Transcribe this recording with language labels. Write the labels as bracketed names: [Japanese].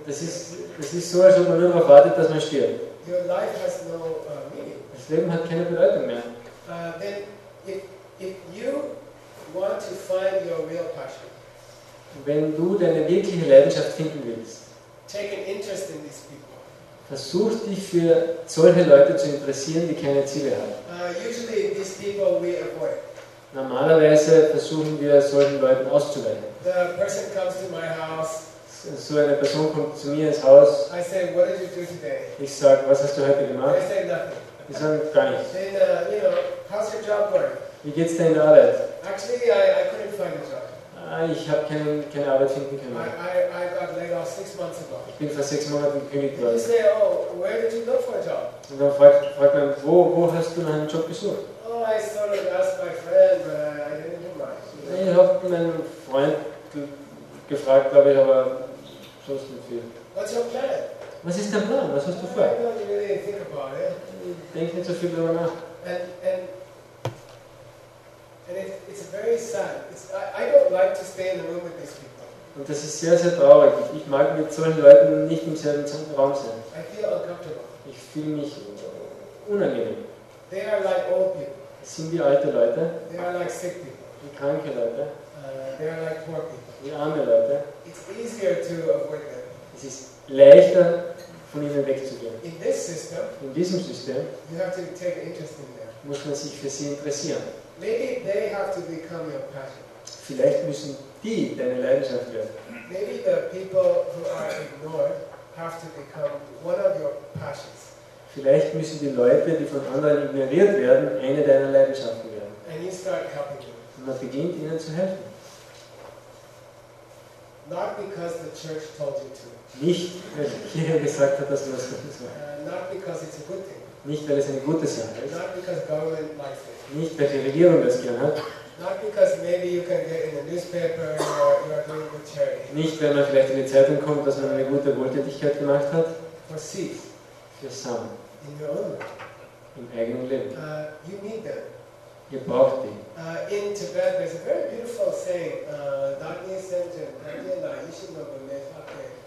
[German] Das ist so, als ob man nur darauf wartet, dass man stirbt. [English] Your life has no meaning. [German] Das Leben hat keine Bedeutung mehr. [English] Then if you want to find your real passion, [German] wenn du deine wirkliche Leidenschaft finden willst, [English] take an interest in these people. [German] Versuch dich für solche Leute zu interessieren, die keine Ziele haben. [English] Usually these people we avoid. [German] Normalerweise versuchen wir, solchen Leuten auszuweichen. [English] The person comes to my house. [German] So eine Person kommt zu mir ins Haus. [English] I say, what did you do today? [German] Ich sage, was hast du heute gemacht? [English] They say nothing. [German] Die sagen gar nichts. [English] Then, you know, how's your job going? [German] Wie geht's dir in der Arbeit? [English] Actually, I couldn't find a job. [German] Ich habe keine Arbeit finden können. [English] I got laid off 6 months ago. [German] Ich bin vor 6 Monaten gekündigt worden. [English] You say, oh, where did you look for a job? [German] Und dann fragt man, wo hast du einen Job gesucht? [English] Oh, I sort of asked my friend, but I didn't do much. [German] Ich habe meinen Freund gefragt, glaube ich, aber sonst nicht viel. [English] What's your plan? [German] Was ist dein Plan? Was hast du vor? [English] I don't really think about it. [German] Denk nicht so viel darüber nach. [English] And it's very sad. I don't like to stay in the room with these people. [German] Und das ist sehr, sehr traurig. Ich mag mit solchen Leuten nicht im selben Raum sein. [English] I feel uncomfortable. [German] Ich fühle mich unangenehm. [English] They are like old people. [German] Das sind die alte Leute. [English] They are like sick people. [German] Die kranke Leute. [English] They are like poor people. [German] Die arme Leute. [English] It's easier to avoid them. [German] Es ist leichter, von ihnen wegzugehen. [English] In this system, [German] in diesem System, [English] you have to take interest in them. [German] Muss man sich für sie interessieren. [English] Maybe they have to become your passion. [German] Vielleicht müssen die deine Leidenschaft werden. [English] Maybe the people who are ignored have to become one of your passions. [German] Vielleicht müssen die Leute, die von anderen ignoriert werden, eine deiner Leidenschaften werden. [English] And you start helping them. [German] Und man beginnt ihnen zu helfen. [English] Not because the church told you to. [German] Nicht, weil die Kirche gesagt hat, dass du das machen sollst. [English] Not because it's a good thing. [German] Nicht, weil es eine gute Sache ist. [English] Not because government likes it. [German] Nicht, weil die Regierung das gerne hat. [English] Not because maybe you can get in the newspaper or you are doing good charity. [German] Nicht, weil man vielleicht in die Zeitung kommt, dass man eine gute Wohltätigkeit gemacht hat. [English] For seed. [German] Für Samen. [English] In your own. [German] Im eigenen Leben. [English] You need them. [German] Ihr braucht die. [English] In Tibet there's a very beautiful saying. Dagny Senjen, Dagny Na, Ishino, Bune, Fakke.